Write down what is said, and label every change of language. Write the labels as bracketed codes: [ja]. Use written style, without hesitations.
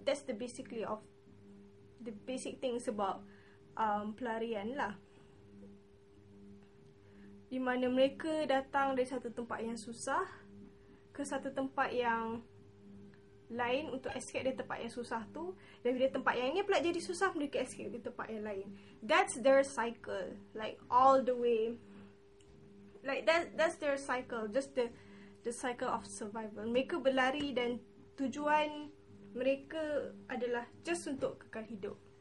[en] That's the basically of the basic thing about [ms] pelarian lah. di mana mereka datang dari satu tempat yang susah ke satu tempat yang lain untuk escape dari tempat yang susah tu, dan bila tempat yang ini pula jadi susah, mereka escape dari tempat yang lain. [en] That's their cycle, like all the way, like that's their cycle, just the cycle of survival. [ms] Mereka berlari dan tujuan mereka adalah just untuk kekal hidup.